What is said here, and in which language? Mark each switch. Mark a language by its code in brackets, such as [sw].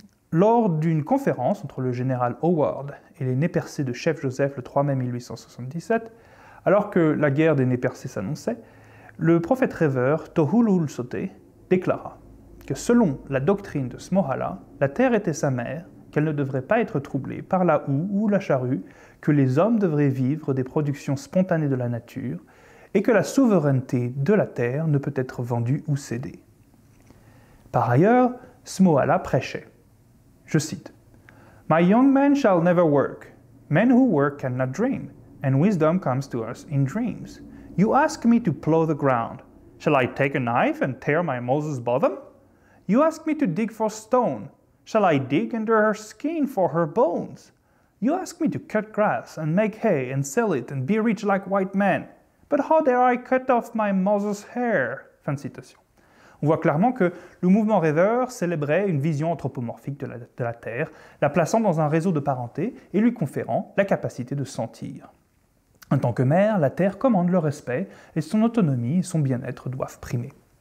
[fr] Lors d'une conférence entre le général Howard et les Nez Percés de chef Joseph le 3 mai 1877, alors que la guerre des Nez Percés s'annonçait, le prophète rêveur Tohululsote déclara que selon la doctrine de Smohala, la terre était sa mère, qu'elle ne devrait pas être troublée par la houe ou la charrue, que les hommes devraient vivre des productions spontanées de la nature, et que la souveraineté de la terre ne peut être vendue ou cédée. Par ailleurs, Smohala prêchait. Je cite [en] « My young men shall never work. Men who work cannot dream, and wisdom comes to us in dreams. You ask me to plow the ground. Shall I take a knife and tear my Moses' bosom? You ask me to dig for stone. Shall I dig under her skin for her bones? You ask me to cut grass and make hay and sell it and be rich like white men. But how dare I cut off my mother's hair? [fr] Fin de citation. On voit clairement que le mouvement rêveur célébrait une vision anthropomorphique de la terre, la plaçant dans un réseau de parenté et lui conférant la capacité de sentir. En tant que mère, la terre commande le respect et son autonomie et son bien-être doivent primer.